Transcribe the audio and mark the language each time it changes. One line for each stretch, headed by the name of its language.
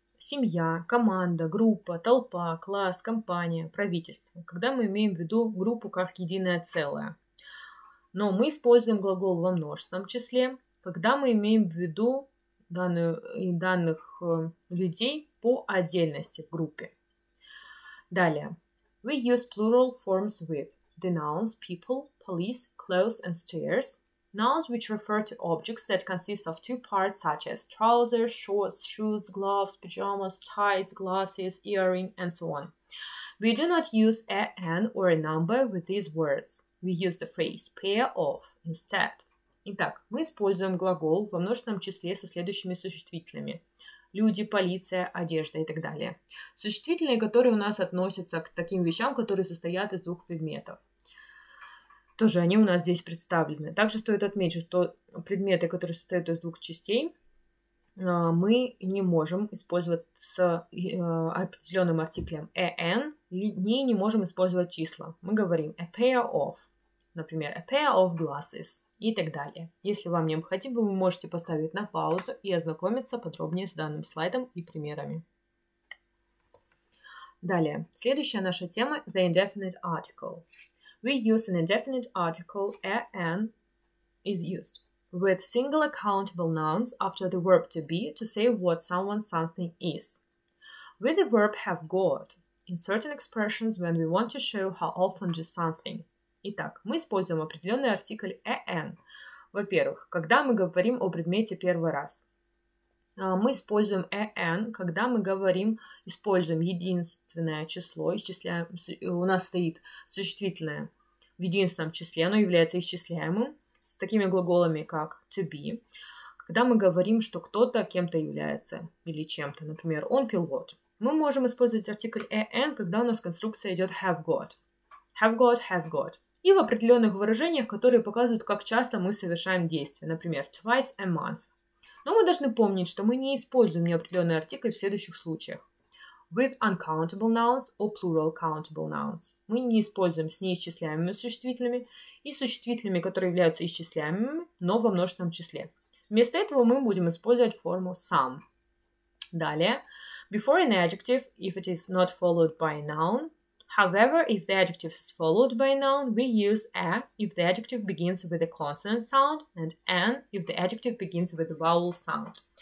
Russian: Семья, команда, группа, толпа, класс, компания, правительство. Когда мы имеем в виду группу как единое целое. Но мы используем глагол во множественном числе, когда мы имеем в виду данных людей по отдельности в группе. Далее.
English: We use plural forms with the nouns people, police, clothes and stairs. Nouns which refer to objects that consist of two parts, such as trousers, shorts, shoes, gloves, pajamas, tights, glasses, earring, and so on. We do not use an or a number with these words. We use the phrase pair of instead.
Russian: Итак, мы используем глагол во множественном числе со следующими существительными. Люди, полиция, одежда и так далее. Существительные, которые у нас относятся к таким вещам, которые состоят из двух предметов. Тоже они у нас здесь представлены. Также стоит отметить, что предметы, которые состоят из двух частей, мы не можем использовать с определенным артиклем an, не можем использовать числа. Мы говорим
English: a pair of,
Russian: например,
English: a pair of glasses
Russian: и так далее. Если вам необходимо, вы можете поставить на паузу и ознакомиться подробнее с данным слайдом и примерами. Далее. Следующая наша тема –
English: the indefinite article. We use an indefinite article, an is used, with singular countable nouns after the verb to be to say what someone something is. With the verb have got, in certain expressions when we want to show how often do something.
Russian: Итак, мы используем определенный артикль an. Во-первых, когда мы говорим о предмете первый раз. Мы используем an, когда мы говорим, используем единственное число, исчисляем, у нас стоит существительное в единственном числе, оно является исчисляемым, с такими глаголами, как to be. Когда мы говорим, что кто-то кем-то является или чем-то, например, он пилот, мы можем использовать артикль an, когда у нас конструкция идет have got.
English: Have got, has got.
Russian: И в определенных выражениях, которые показывают, как часто мы совершаем действие, например,
English: twice a month.
Russian: Но мы должны помнить, что мы не используем неопределенный артикль в следующих случаях.
English: With uncountable nouns or plural countable nouns.
Russian: Мы не используем с неисчисляемыми существительными и существительными, которые являются исчисляемыми, но во множественном числе. Вместо этого мы будем использовать форму some. Далее.
English: Before an adjective, if it is not followed by a noun. However, if the adjective is followed by a noun, we use a if the adjective begins with a consonant sound and an if the adjective begins with a vowel sound.